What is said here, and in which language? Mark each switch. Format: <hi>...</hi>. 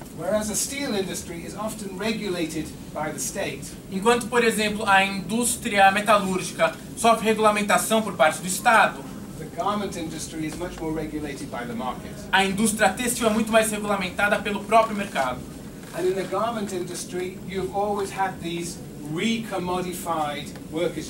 <en>Whereas a steel industry is often regulated by the state.</en> <pt>Enquanto, por exemplo, a indústria metalúrgica sofre regulamentação por parte do Estado,</pt> <en>the garment industry is much more regulated by the market.</en> <pt>A indústria têxtil é muito mais regulamentada pelo próprio mercado.</pt> <en>And in the garment industry, you've always had these recommodified workers.</en>